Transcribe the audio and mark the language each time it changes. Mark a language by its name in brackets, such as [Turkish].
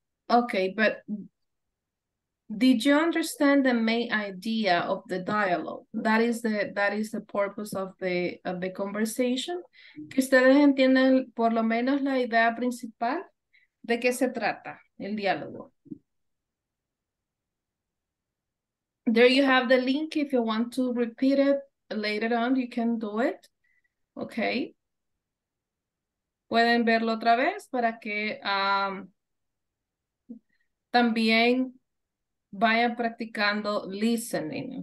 [English] Okay, but did you understand the main idea of the dialogue? That is the purpose of the conversation. [Spanish] Que ustedes entiendan por lo menos la idea principal de qué se trata el diálogo. [English] There you have the link. If you want to repeat it later on, you can do it. Okay. [Spanish] Pueden verlo otra vez para que también vayan practicando listening.